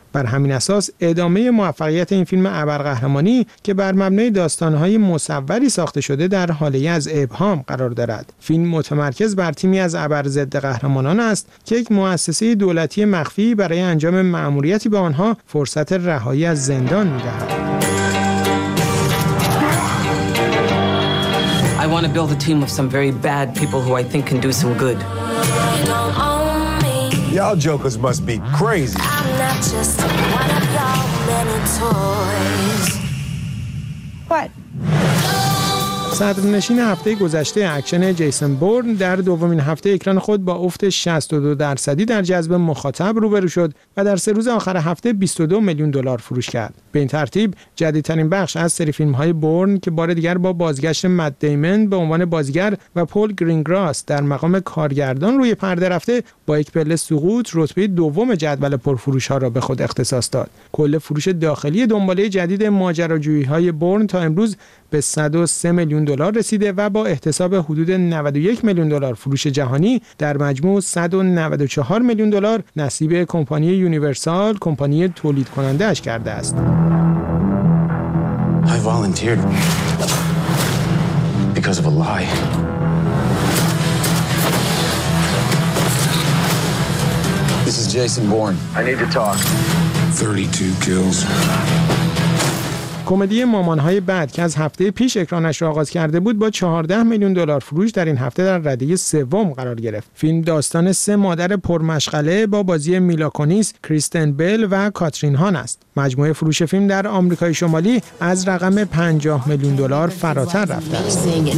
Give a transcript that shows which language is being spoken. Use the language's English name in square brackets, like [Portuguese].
[Persian] بر همین اساس ادامه موفقیت این فیلم ابرقهرمانی که بر مبنای داستان‌های مصوری ساخته شده در حاله از ابهام قرار دارد. فیلم متمرکز بر تیمی از ابر ضد قهرمانان است که یک مؤسسه دولتی مخفی برای انجام مأموریتی به آنها فرصت رهایی از زندان می‌دهد. [English] I want to build a team of some very bad people who I think can do some good. Y'all jokers must be crazy. I'm not just one of y'all many toys. What? [Persian] صدرنشین هفته گذشته اکشن جیسون بورن در دومین هفته اکران خود با افت 62% در جذب مخاطب روبرو شد و در سه روز آخر هفته 22 میلیون دلار فروش کرد. به این ترتیب جدیدترین بخش از سری فیلم‌های بورن که بار دیگر با بازگشت مت دیمن به عنوان بازیگر و پول گرینگراس در مقام کارگردان روی پرده رفته با یک پله سقوط رتبه دوم جدول پرفروش‌ها را به خود اختصاص داد. کل فروش داخلی دنباله جدید ماجراجویی‌های بورن تا امروز به 103 میلیون دلار رسیده و با احتساب حدود 91 میلیون دلار فروش جهانی در مجموع 194 میلیون دلار نصیب کمپانی یونیورسال کمپانی تولید کننده اش کرده است. [English] I volunteered because of a lie. This is Jason Bourne. I need to talk. 32 kills. [Persian] کمدی مامان‌های بعد که از هفته پیش اکرانش را آغاز کرده بود با 14 میلیون دلار فروش در این هفته در رده سوم قرار گرفت. فیلم داستان سه مادر پرمشغله با بازی میلا کونیس، کریستن بیل و کاترین هان است. مجموعه فروش فیلم در آمریکای شمالی از رقم 50 میلیون دلار فراتر رفته است.